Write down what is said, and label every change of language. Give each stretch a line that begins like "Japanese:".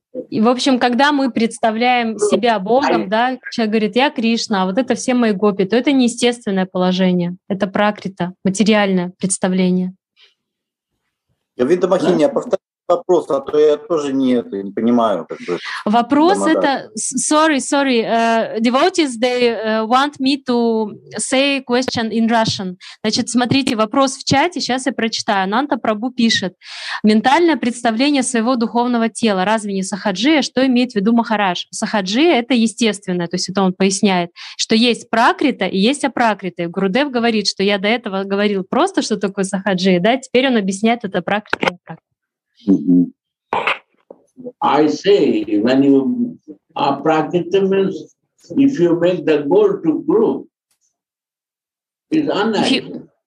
Russian: И, в общем, когда мы представляем себя Богом, да, человек говорит, я Кришна, а вот это все мои гопи, то это неестественное положение, это пракрита, материальное представление. Говинда Махини, я повторю вопрос, а то я тоже не понимаю. Как бы, вопрос домодат. Это... Sorry.
English: Devotees, they want me to say question in Russian.
Russian: Значит, смотрите, вопрос в чате, сейчас я прочитаю. Ананта Прабу пишет. Ментальное представление своего духовного тела. Разве не сахаджия? Что имеет в виду Махарадж? Сахаджия — это естественное. То есть это он поясняет, что есть пракрита и есть апракрита. Гурудев говорит, что я до этого говорил просто, что такое сахаджия, да? Теперь он объясняет это пракрита и апракрита. Mm-hmm.
English: I say when you are prakriti means if you make the goal to grow, it's unnatural.